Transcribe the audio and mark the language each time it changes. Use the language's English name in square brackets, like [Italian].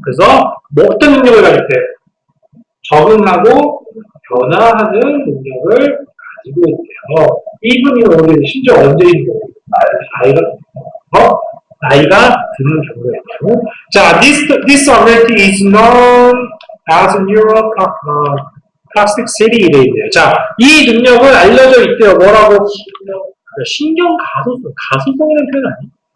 [Korean] 그래서 뭐 어떤 능력을 가지고 있대요? 적응하고 변화하는 능력을 가지고 있대요. 이분이 오늘 심지어 언제인 거예요? 나이가 어? 나이가 드는 경우에요. [English] 자, this ability is known as neuroplasticity [Korean] 이래 있네요. 자, 이 능력은 알려져 있대요. 뭐라고? 신경 가소성. 가소성이라는 표현 아니에요?